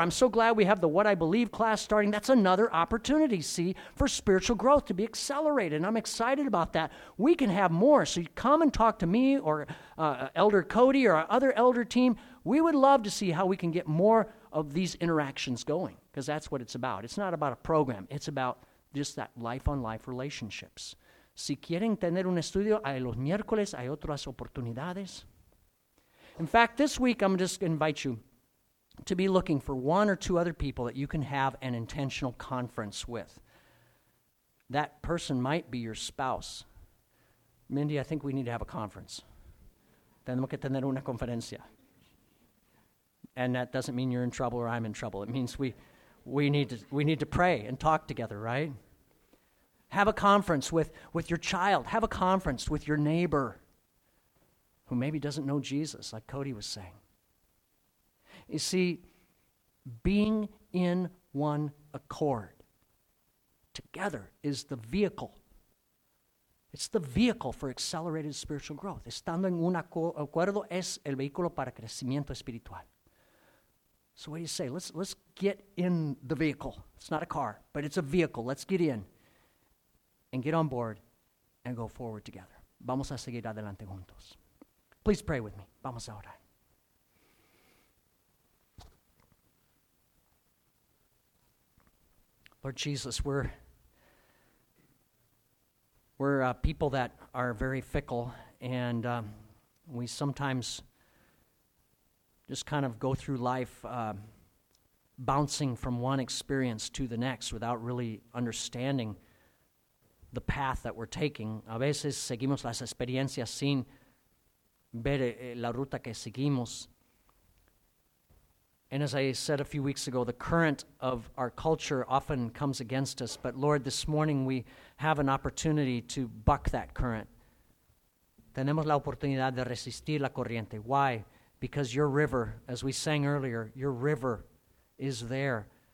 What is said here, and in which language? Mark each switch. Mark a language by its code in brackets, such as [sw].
[en] I'm so glad we have the What I Believe class starting. That's another opportunity, see, for spiritual growth to be accelerated. And I'm excited about that. We can have more. So you come and talk to me or Elder Cody or our other elder team. We would love to see how we can get more of these interactions going because that's what it's about. It's not about a program. It's about just that life-on-life relationships. [es] Si quieren tener un estudio, hay los miércoles, hay otras oportunidades. [en] In fact, this week, I'm just going to invite you to be looking for one or two other people that you can have an intentional conference with. That person might be your spouse. Mindy, I think we need to have a conference. Tenemos que tener una conferencia. And that doesn't mean you're in trouble or I'm in trouble. It means we need to pray and talk together, right? Have a conference with your child. Have a conference with your neighbor who maybe doesn't know Jesus, like Cody was saying. You see, being in one accord together is the vehicle. It's the vehicle for accelerated spiritual growth. [es] Estando en un acuerdo es el vehículo para crecimiento espiritual. [en] So what do you say? Let's get in the vehicle. It's not a car, but it's a vehicle. Let's get in and get on board and go forward together. [es] Vamos a seguir adelante juntos. Please pray with me. Vamos a orar. [en] Lord Jesus, we're people that are very fickle, and we sometimes just kind of go through life bouncing from one experience to the next without really understanding the path that we're taking. [es] A veces seguimos las experiencias sin ver la ruta que seguimos. [en] And as I said a few weeks ago, the current of our culture often comes against us. But Lord, this morning we have an opportunity to buck that current. [es] Tenemos la oportunidad de resistir la corriente. [en] Why? Because your river, as we sang earlier, your river is there.